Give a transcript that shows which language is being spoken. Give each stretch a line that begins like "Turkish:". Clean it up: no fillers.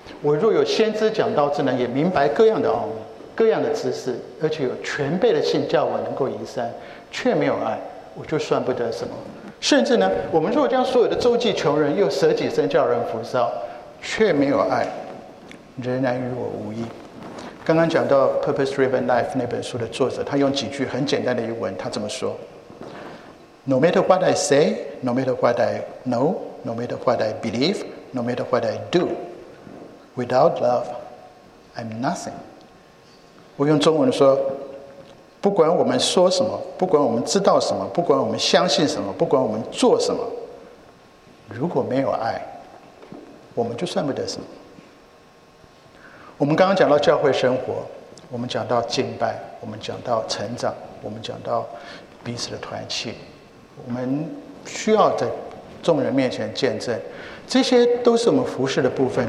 Chinese: 我若有先知讲道智能，也明白各样的奥秘、各样的知识，而且有全备的信叫我能够移山，却没有爱，我就算不得什么。甚至呢，我们若将所有的周济穷人，又舍己身叫人服侍，却没有爱，仍然与我无益。刚刚讲到 Purpose Driven Life 那本书的作者，他用几句很简单的英文，他怎么说？
English: No matter what I say, no matter what I know, no matter what I believe, no matter what I do, without love, I'm nothing。
Chinese: 我用中文说，不管我们说什么，不管我们知道什么，不管我们相信什么，不管我们做什么，如果没有爱，我们就算不得什么。我们刚刚讲到教会生活，我们讲到敬拜，我们讲到成长，我们讲到彼此的团契，我们需要在众人面前见证，这些都是我们服事的部分。